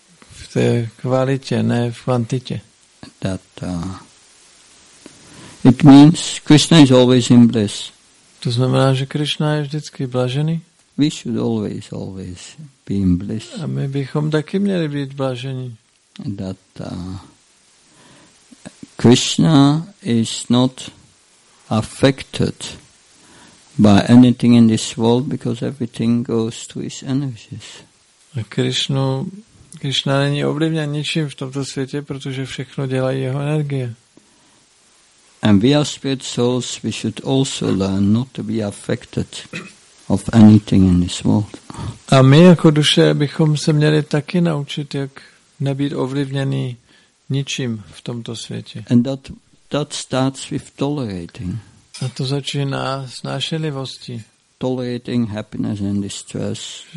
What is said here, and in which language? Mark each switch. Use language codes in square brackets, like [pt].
[cs] V té kvalitě, ne v kvantitě. [en] It means Krishna is always in bliss. [cs] To znamená, že Krishna je vždycky blažený. [en] We should always be in bliss. [cs] A my bychom taky měli být blažení. [en] That Krishna is not affected by anything in this world because everything goes to his energies. [cs] A Krishna není ovlivněn ničím v tomto světě, protože všechno dělá jeho energie. [en] And we are spirit souls, we should also learn not to be affected of anything in this world. [cs] A my jako duše bychom se měli taky naučit, jak nebýt ovlivněni ničím v tomto světě. [en] And that starts with tolerating. [cs] A to začíná snášenlivostí. [en] Tolerating happiness and distress.